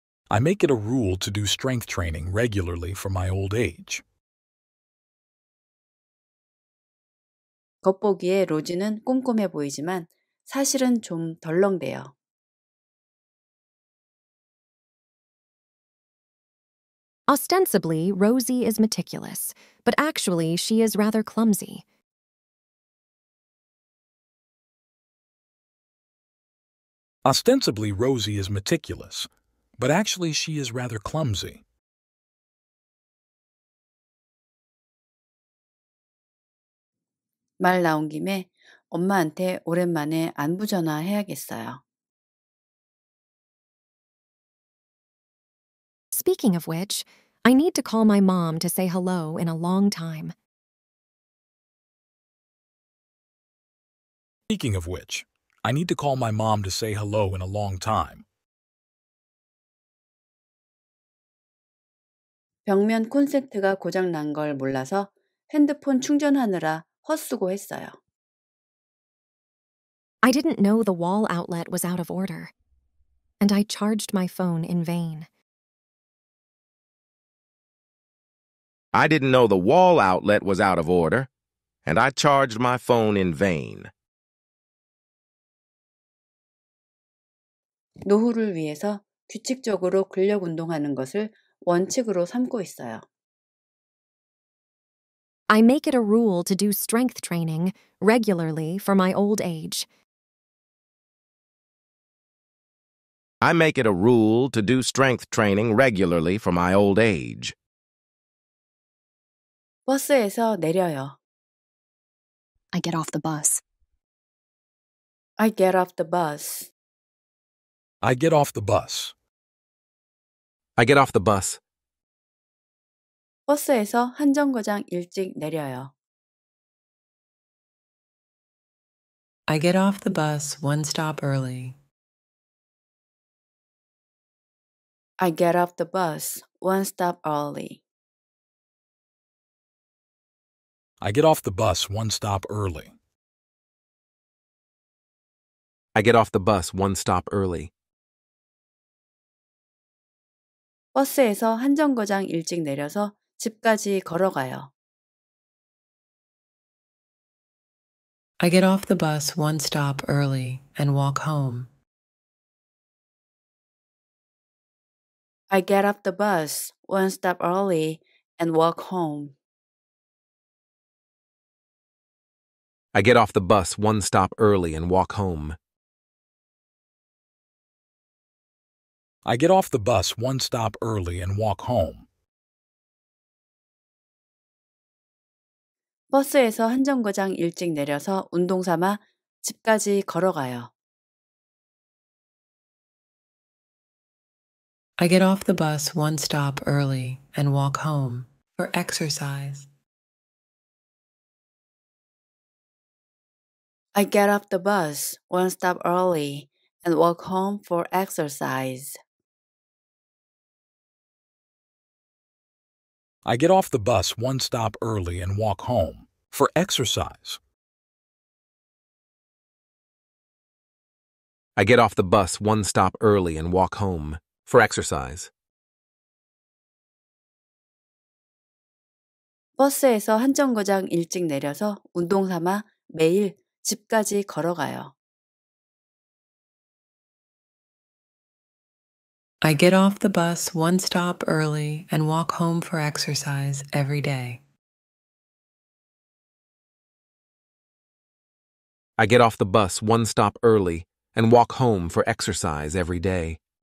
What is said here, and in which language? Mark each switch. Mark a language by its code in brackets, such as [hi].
[en] I make it a rule to do strength training regularly for my old age. [ko] 겉보기에 로지는 꼼꼼해 보이지만 사실은 좀 덜렁대요. [en] Ostensibly, Rosy is meticulous, but actually she is rather clumsy. Ostensibly, Rosy is meticulous, but actually she is rather clumsy. Speaking of which, I need to call my mom to say hello in a long time. Speaking of which, I need to call my mom to say hello in a long time. [ko] 벽면 콘센트가 고장 난 걸 몰라서 핸드폰 충전하느라 헛수고 했어요. [en] I didn't know the wall outlet was out of order, and I charged my phone in vain. I didn't know the wall outlet was out of order, and I charged my phone in vain. [ko] 노후를 위해서 규칙적으로 근력 운동하는 것을 원칙으로 삼고 있어요. [en] I make it a rule to do strength training regularly for my old age. I make it a rule to do strength training regularly for my old age. [ko] 버스에서 내려요. [en] I get off the bus. I get off the bus. I get off the bus. I get off the bus. [ko] 버스에서 한 정거장 일찍 내려요. [en] I get off the bus one stop early. I get off the bus one stop early. I get off the bus one stop early. I get off the bus one stop early. [ko] 버스에서 한 정거장 일찍 내려서 집까지 걸어가요. [en] I get off the bus one stop early and walk home. I get off the bus one stop early and walk home. I get off the bus one stop early and walk home. I get off the bus one stop early and walk home. [ko] 버스에서 한 정거장 일찍 내려서 운동 삼아 집까지 걸어가요. [en] I get off the bus one stop early and walk home for exercise. I get off the bus one stop early and walk home for exercise. I get off the bus one stop early and walk home for exercise. I get off the bus one stop early and walk home for exercise. [ko] 버스에서 한 정거장 일찍 내려서 운동 삼아 매일 집까지 걸어가요. [en] I get off the bus one stop early and walk home for exercise every day. I get off the bus one stop early and walk home for exercise every day.